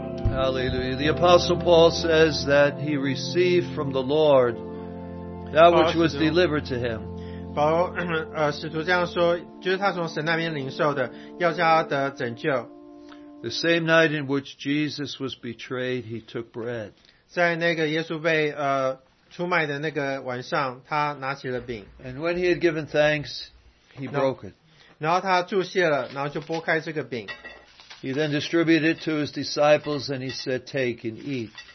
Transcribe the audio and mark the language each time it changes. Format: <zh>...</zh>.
<en>Hallelujah. The Apostle Paul says that he received from the Lord that which was delivered to him.</en> <zh>保罗使徒这样说，就是他从神那边领受的，要叫他得拯救。</zh> <en>The same night in which Jesus was betrayed, he took bread.</en> <zh>在那个耶稣被出卖的那个晚上，他拿起了饼。</zh> <en>And when he had given thanks, he broke it.</en> <zh>然后他注谢了，然后就拨开这个饼。</zh> <en>He then distributed it to his disciples and he said, take and eat.</en>